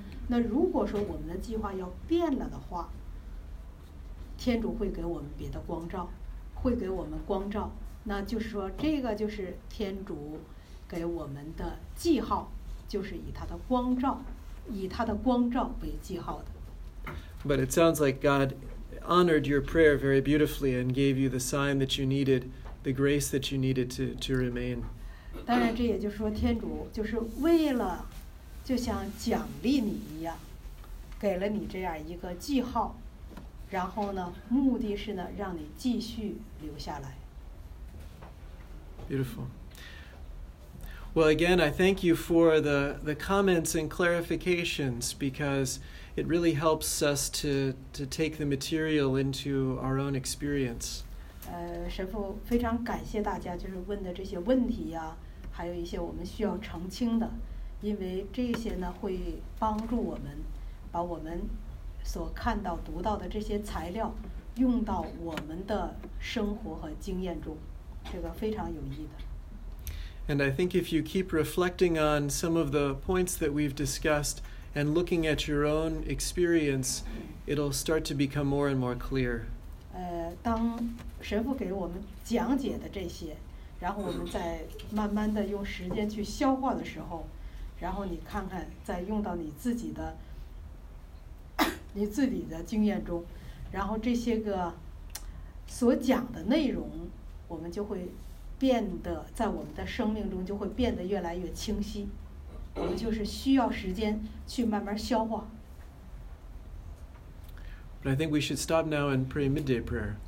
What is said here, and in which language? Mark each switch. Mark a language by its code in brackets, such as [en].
[zh] 那如果说我们的计划要变了的话，天主会给我们别的光照，会给我们光照，那就是说这个就是天主给我们的记号，就是以他的光照，以他的光照为记号的。 [en] But it sounds like God honored your prayer very beautifully and gave you the sign that you needed, the grace that you needed to remain. [zh] 当然这也就是说天主就是为了就像奖励你一样，给了你这样一个记号，然后呢，目的是呢，让你继续留下来。 [en] Beautiful. Well, again, I thank you for the comments and clarifications because it really helps us to take the material into our own experience. [zh] 神父非常感谢大家，就是问的这些问题呀，还有一些我们需要澄清的，因为这些呢会帮助我们把我们。所看到读到的这些材料用到我们的生活和经验中，这个非常有益的。 [en] And I think if you keep reflecting on some of the points that we've discussed and looking at your own experience, it'll start to become more and more clear. [zh] 当神父给我们讲解的这些，然后我们再慢慢的用时间去消化的时候，然后你看看再用到你自己的你自己的经验中，然后这些个所讲的内容，我们就会变得在我们的生命中就会变得越来越清晰。我们就是需要时间去慢慢消化。 [en] But I think we should stop now and pray midday prayer.